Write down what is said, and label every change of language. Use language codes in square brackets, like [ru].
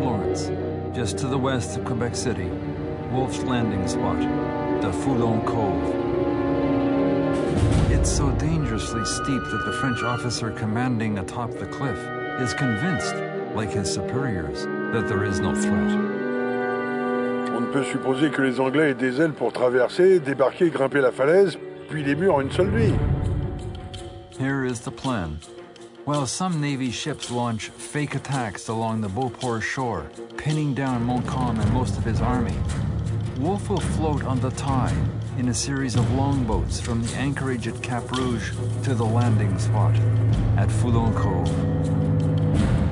[en] Lawrence, just to the west of Quebec City, Wolfe's landing spot, the Foulon Cove. It's so dangerously steep that the French officer commanding atop the cliff is convinced, like his superiors, that there is no threat. [fr] On ne peut supposer que les Anglais aient des ailes pour traverser, débarquer, grimper la falaise, puis les murs en une seule nuit. [en] Here is the plan. While some Navy ships launch fake attacks along the Beauport shore, pinning down Montcalm and most of his army, Wolfe will float on the tide in a series of longboats from the anchorage at Cap Rouge to the landing spot at Foulon Cove.